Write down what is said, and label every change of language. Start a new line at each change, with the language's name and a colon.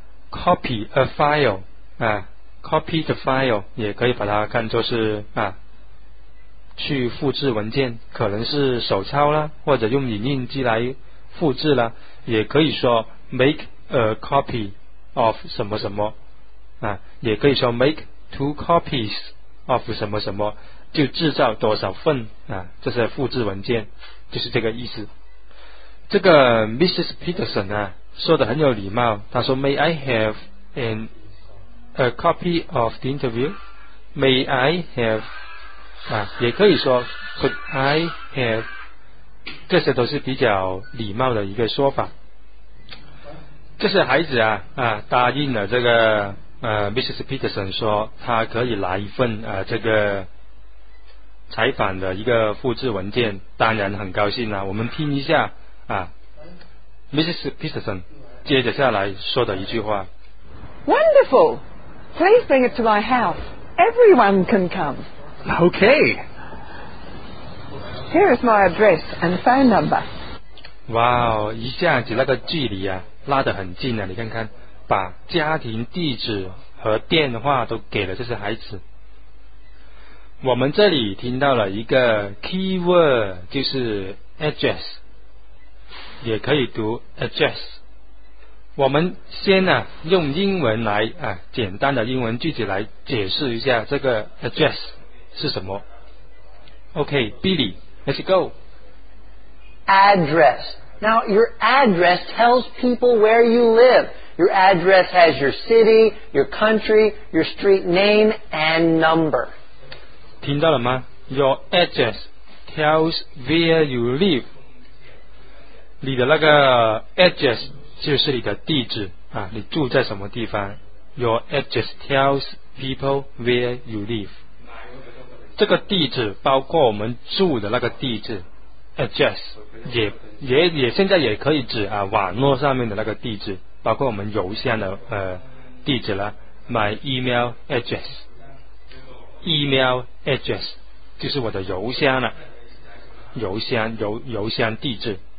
English: Copy a file
Chinese: 啊，
English: copy the file
Chinese: 也可以把它看作是啊，去复制文件，可能是手抄啦，或者用影印机来复制啦，也可以说
English: make a copy of
Chinese: 什么什么啊，也可以说
English: make two copies of
Chinese: 什么什么，就制造多少份啊，这是复制文件，就是这个意思。这个 Mrs.
English: Peterson 啊，
Chinese: 说得很有礼貌，她说
English: May I have a copy of the interview? May I have
Chinese: 啊，也可以说
English: Could I have，
Chinese: 这些都是比较礼貌的一个说法。这些孩子 啊答应了这个Mrs. Peterson 说他可以拿一份这个采访的一个复制文件，当然很高兴了。我们听一下啊 Mrs. Peterson 接着下来说的一句话。
English: Wonderful! Please bring it to my house. Everyone can come. Okay. Here is my address and phone number.
Chinese: 哇哦，一下子那个距离啊，拉得很近啊！你看看，把家庭地址和电话都给了这些孩子。我们这里听到了一个 keyword， 就是 address， 也可以读 address。我们先呢、啊，用英文来啊，简单的英文句子来解释一下这个 address 是什么。
English: Okay, Billy. Let's go. Address. Now, your address tells people where you live. Your address has your city, your country, your street name, and number.
Chinese: 听到了吗?
English: Your address tells where you live.
Chinese: 你的那个 address 就是你的地址啊，你住在什么地方。
English: Your address tells people where you live.
Chinese: 这个地址包括我们住的那个地址 address， 也现在也可以指啊网络上面的那个地址，包括我们邮箱的地址了。
English: My email address，
Chinese: email address 就是我的邮箱了，邮箱地址。